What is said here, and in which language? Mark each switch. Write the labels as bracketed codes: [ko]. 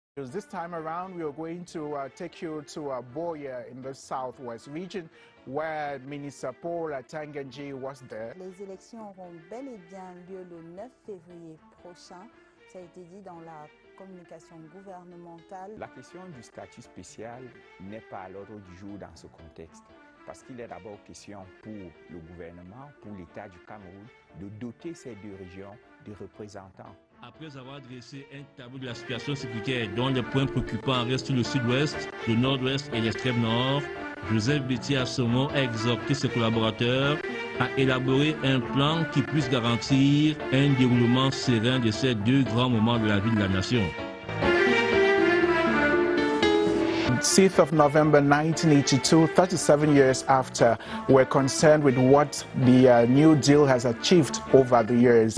[en] This time around, we are going to take you to Boye in the southwest region, where Minister Paul Atangenji was there. [fr] Les élections auront bel et bien lieu le 9 février prochain. Ça a été dit dans la communication gouvernementale. La question du statut spécial n'est pas à l'ordre du jour dans ce contexte, parce qu'il est d'abord question pour le gouvernement, pour l'État du Cameroun, de doter ces deux régions de représentants. Après avoir dressé un tableau de la situation sécuritaire dont les points préoccupants restent le sud-ouest, le nord-ouest et l'extrême nord, Joseph Béthier Assomo a exhorté ses collaborateurs à élaborer un plan qui puisse garantir un déroulement serein de ces deux grands moments de la vie de la nation. [en] 6th of November 1982, 37 years after, we're concerned with what the New Deal has achieved over the years.